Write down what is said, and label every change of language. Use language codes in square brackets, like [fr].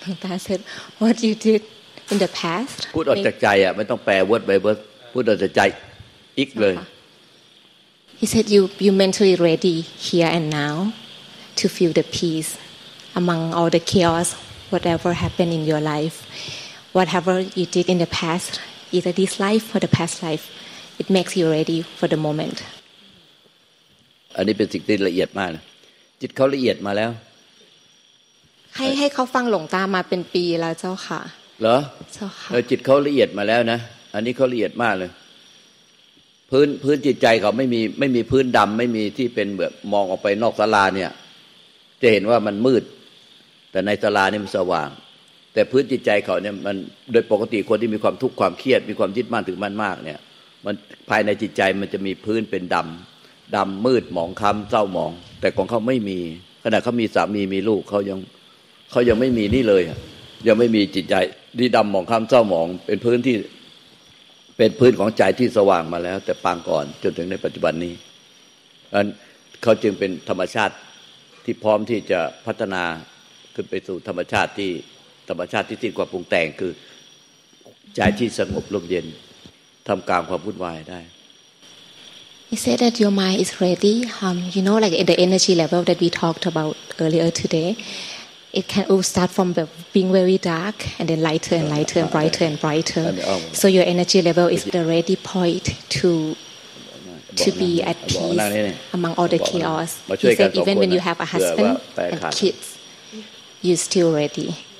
[en] แต่ said what you did in the past [th] พูดออกจากใจอ่ะไม่ต้องแปล [en] word by word [th] พูดออกจากใจอีกเลย [en] He said, "You mentally ready here and now to feel the peace among all the chaos, whatever happened in your life, whatever you did in the past, either this life or the past life, it makes you ready for the moment." [th] อันนี้เป็นสิ่งที่ละเอียดมากจิตเขาละเอียดมาแล้ว ให้เขาฟังหลวงตามาเป็นปีแล้วเจ้าค่ะ เหรอ เจ้าค่ะ จิตเขาละเอียดมาแล้วนะอันนี้เขาละเอียดมากเลยพื้นจิตใจเขาไม่มีพื้นดำไม่มีที่เป็นแบบมองออกไปนอกศาลาเนี่ยจะเห็นว่ามันมืดแต่ในศาลานี่มันสว่างแต่พื้นจิตใจเขาเนี่ยมันโดยปกติคนที่มีความทุกข์ความเครียดมีความยึดมั่นถือมั่นมากเนี่ยมันภายในจิตใจมันจะมีพื้นเป็นดำ มืดหมองคล้ำเศร้าหมองแต่ของเขาไม่มีขณะเขามีสามีมีลูกเขายังไม่มีนี่เลยยังไม่มีจิตใจที่ดำหมองคล้ำเศร้าหมองเป็น พื้นของใจที่สว่างมาแล้วแต่ปางก่อนจนถึงในปัจจุบันนี้นั้นเขาจึงเป็นธรรมชาติที่พร้อมที่จะพัฒนาขึ้นไปสู่ธรรมชาติที่สิ้นความปรุงแต่งคือใจที่สงบร่มเย็นทำกลางความวุ่นวายได้ [en] He said that your mind is ready you know like the energy level that we talked about earlier today it can all start from being very dark and then lighter and lighter and brighter and brighter so your energy level is the ready point to be at peace among all the chaos he said even when you have a husband and kids you're still ready.